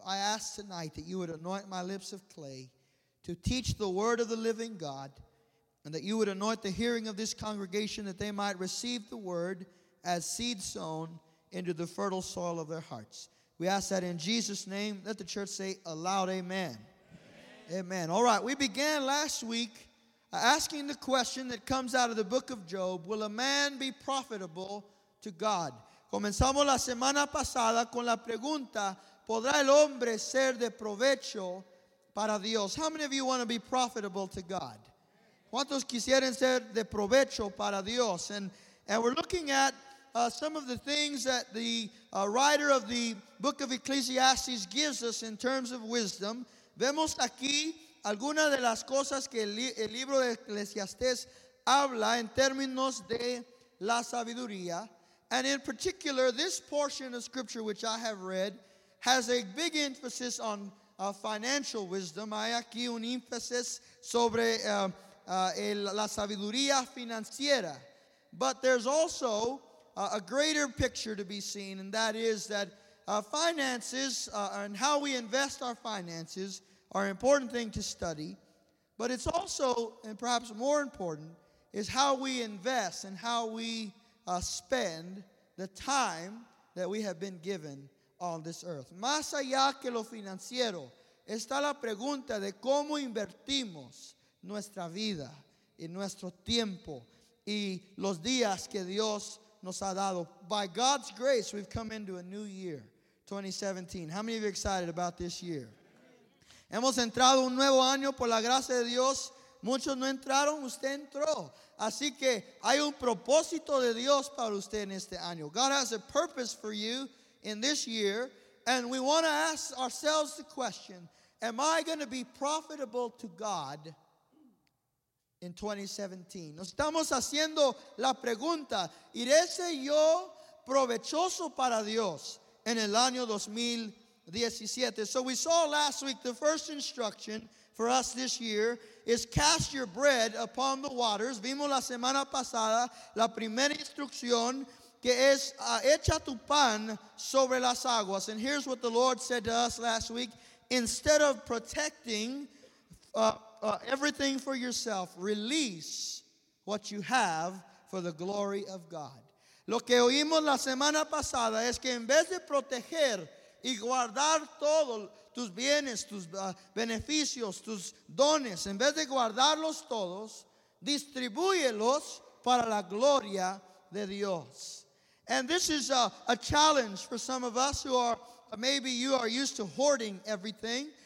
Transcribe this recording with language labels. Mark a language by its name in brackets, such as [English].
[English] I ask tonight that you would anoint my lips of clay to teach the word of the living God, and that you would anoint the hearing of this congregation that they might receive the word as seed sown into the fertile soil of their hearts. We ask that in Jesus' name, let the church say aloud, amen. Amen. Amen. All right, we began last week asking the question that comes out of the book of Job, will a man be profitable to God? [Spanish] Comenzamos la semana pasada con la pregunta, ¿podrá el hombre ser de provecho para Dios? [English] How many of you want to be profitable to God? [Spanish] ¿Cuántos quisieran ser de provecho para Dios? [English] And we're looking at some of the things that the writer of the book of Ecclesiastes gives us in terms of wisdom. [Spanish] Vemos aquí algunas de las cosas que el libro de Ecclesiastes habla en términos de la sabiduría. [English] And in particular, this portion of scripture which I have read has a big emphasis on financial wisdom. [Spanish] Hay aquí un énfasis sobre la sabiduría financiera. [English] But there's also a greater picture to be seen, and that is that finances and how we invest our finances are an important thing to study, but it's also, and perhaps more important, is how we invest and how we spend the time that we have been given on this earth. [Spanish] Más allá que lo financiero, está la pregunta de cómo invertimos nuestra vida y nuestro tiempo y los días que Dios nos ha dado. [English] By God's grace, we've come into a new year, 2017. How many of you are excited about this year? [Spanish] Hemos entrado un nuevo año por la gracia de Dios. Muchos no entraron, usted entró. Así que hay un propósito de Dios para usted en este año. [English] God has a purpose for you in this year. And we want to ask ourselves the question, am I going to be profitable to God in 2017? [Spanish] Nos estamos haciendo la pregunta, ¿iré ser yo provechoso para Dios en el año 2017? [English] So we saw last week the first instruction for us this year is cast your bread upon the waters. [Spanish] Vimos la semana pasada la primera instrucción que es echa tu pan sobre las aguas. [English] And here's what the Lord said to us last week. Instead of protecting everything for yourself, release what you have for the glory of God. [Spanish] Lo que oímos la semana pasada es que en vez de proteger y guardar todos tus bienes, tus beneficios, tus dones, en vez de guardarlos todos, distribúyelos para la gloria de Dios. [English] And this is a challenge for some of us who are, maybe you are used to hoarding everything.